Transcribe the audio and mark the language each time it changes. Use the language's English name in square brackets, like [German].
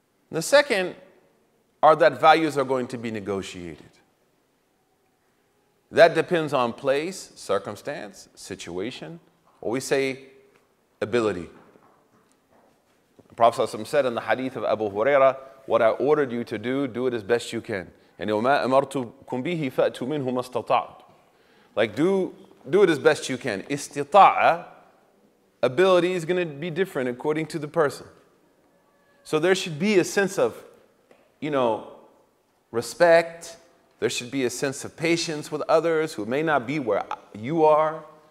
[English] The second are that values are going to be negotiated. That depends on place, circumstance, situation, or we say ability. The Prophet ﷺ said in the hadith of Abu Huraira, what I ordered you to do, do it as best you can. [Arabic] And وَمَا أَمَرْتُكُمْ بِهِ فَأْتُ مِنْهُ مَا اسْتَطَعْتُ. [English] Like, do it as best you can. Istita'a, ability is going to be different according to the person. So there should be a sense of, you know, respect. There should be a sense of patience with others who may not be where you are.